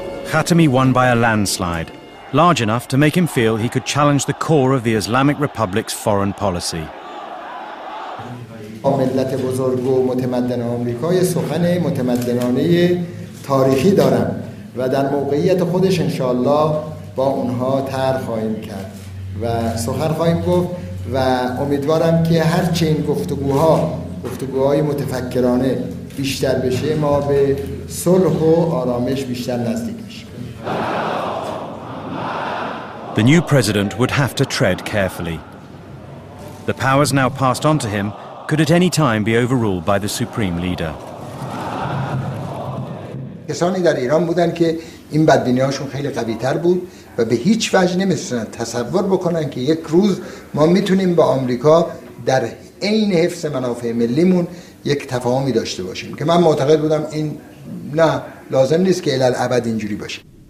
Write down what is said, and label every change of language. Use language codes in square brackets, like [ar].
[en] Khatami won by a landslide, large enough to make him feel he could challenge the core of the Islamic Republic's foreign policy. [fa] ملت بزرگ و متمدن آمریکای سخن متمدنانه تاریخی دارم و در موقعیت خودش انشاءالله با اونها طرح خواهیم کرد و سخن خواهیم گفت و امیدوارم که هرچه این گفتگوهای متفکرانه بیشتر بشه ما به صلح و آرامش بیشتر نزدیک. [en] The new president would have to tread carefully. The powers now passed on to him could at any time be overruled by the supreme leader. [fa] کسانی در ایران بودند که این بدبینی‌هاشون خیلی قوی‌تر بود و به هیچ وجه نمی‌تونستن تصور بکنن که یک روز ما میتونیم با آمریکا در عین حفظ منافع ملیمون یک تفاهمی داشته باشیم که من معتقد بودم این نه لازم نیست که الی‌ابد اینجوری باشه.